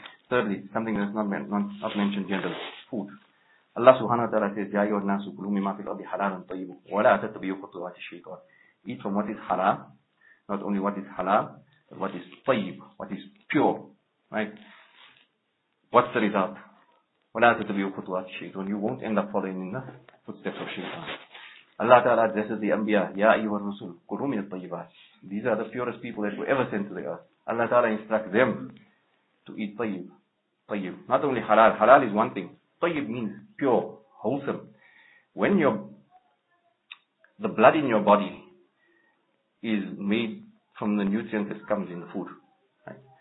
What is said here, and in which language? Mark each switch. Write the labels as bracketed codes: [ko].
[en] Thirdly, something that's not mentioned generally, food. Allah subhanahu wa ta'ala says, [ar] يَا أَيُّهَا النَّاسُ كُلُوا مِمَّا فِي الْأَرْضِ حَلَالًا طَيِّبًا وَلَا تَتَّبِعُوا خُطُوَاتِ الشَّيْطَانِ. [en] Eat from what is halal, not only what is halal, what is tayyib, what is pure, right? [ar] What's the result? وَلَا تَتَبِيُوا خُطُوَاتِ الشَّيْطَانِ. [en] You won't end up following in the footsteps of Shaitan. Allah Ta'ala addresses the Anbiya, [ar] يَا أَيُّهَا الرُّسُلُ كُلُوا مِنَ الطَّيِّبَاتِ. [en] These are the purest people that were ever sent to the earth. Allah Ta'ala instructs them to eat tayyib. Tayyib. Not only halal. Halal is one thing. Tayyib means pure, wholesome. When the blood in your body is made from the nutrients that comes in the food, right?